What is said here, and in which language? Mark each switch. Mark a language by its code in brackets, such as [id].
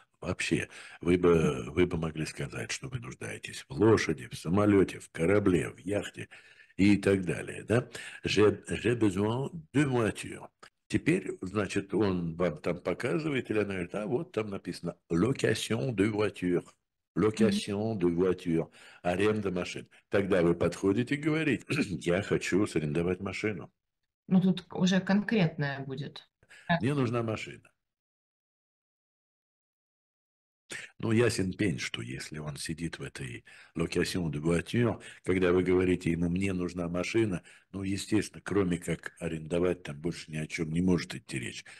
[ru] Вообще, вы бы могли сказать, что вы нуждаетесь в лошади, в самолете, в корабле, в яхте и так далее. Да? [fr] J'ai besoin de voiture. [ru] Теперь, значит, он вам там показывает, или она говорит, а вот там написано [fr] «location de voiture». Location de voiture, [ru] аренда машин. Тогда вы подходите и говорите, я хочу арендовать машину. Ну, тут уже конкретное будет. Мне нужна машина. Ну, ясен пень, что если он сидит в этой [fr] location de voiture, [ru] когда вы говорите ему, мне нужна машина, ну, естественно, кроме как арендовать, там больше ни о чем не может идти речь.